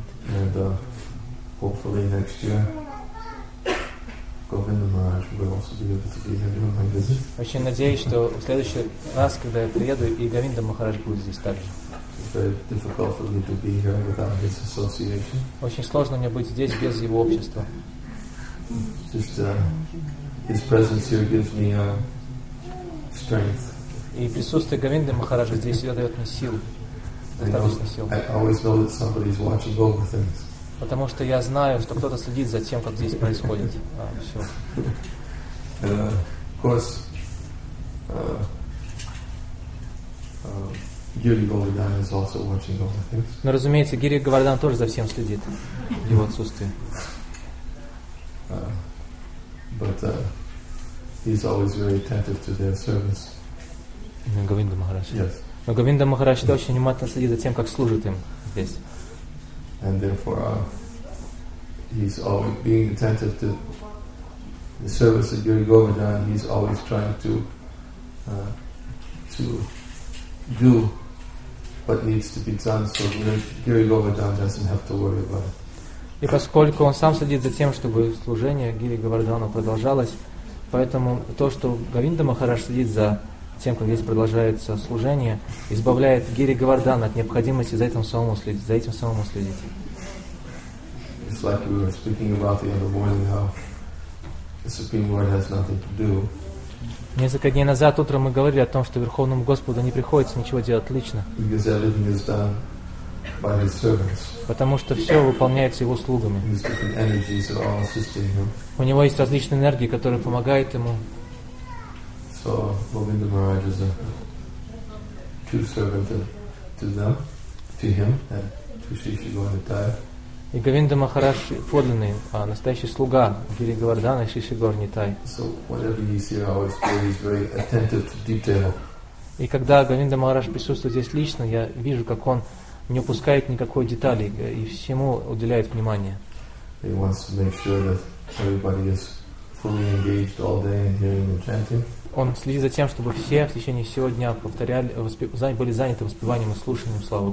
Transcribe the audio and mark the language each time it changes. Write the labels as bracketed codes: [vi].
[en] And, hopefully next year, Govinda Maharaj will also be able to be here on my visit. [ru] Очень надеюсь, что в следующий раз, когда я приеду, и Говинда Махарадж будет здесь также. [en] It's very difficult for me to be here without his association. [ru] Очень сложно мне быть здесь без его общества. [en] Just, His presence here gives me strength. [ru] И присутствие Говинды Махараджа здесь всегда дает мне сил, достаточно сил. [en] I always know that somebody is watching over things. [ru] Потому что я знаю, что кто-то следит за тем, как здесь происходит. Все. [en] Of course, Giri Govardhan is also watching over things. [ru] Но разумеется, Гири Говардан тоже за всем следит в его отсутствии. [en] He's always very attentive to their service. [ru] Говинда Махарадж. [en] Yes. [ru] Но Говинда Махарадж очень внимательно следит за тем, как служит им здесь. [en] And therefore, he's always being attentive to the service of Giri Govardhan. He's always trying to do what needs to be done, so Giri Govardhan doesn't have to worry about it. [ru] И поскольку он сам следит за тем, чтобы служение Гири Говардхану продолжалось. Поэтому то, что Говинда Махарадж следит за тем, как здесь продолжается служение, избавляет Гири Говардхана от необходимости за этим самому следить. [en] It's like we were speaking about the other morning how the Supreme Lord has nothing to do. [ru] Несколько дней назад утром мы говорили о том, что Верховному Господу не приходится ничего делать лично. [en] Because everything is done by his servants. [ru] Потому что все выполняется его слугами. [en] His different energies are all assisting him. [ru] У него есть различные энергии, которые помогают ему. [en] So, Govinda Maharaj is a true servant to them, to him, and to Shri Shri Gaur-Nitai. [ru] И Говинда Махарадж подлинный, настоящий слуга Гири Говардхана и Шри Шри Гаур-Нитай. [en] So, whenever he's here, I always feel he's very attentive to detail. [ru] И когда Говинда Махарадж присутствует здесь лично, я вижу, как он не упускает никакой детали и всему уделяет внимание. [en] He wants to make sure that everybody is fully engaged all day in hearing and chanting. [ru] Он следит за тем, чтобы все в течение всего дня повторяли, были заняты воспеванием и слушанием славы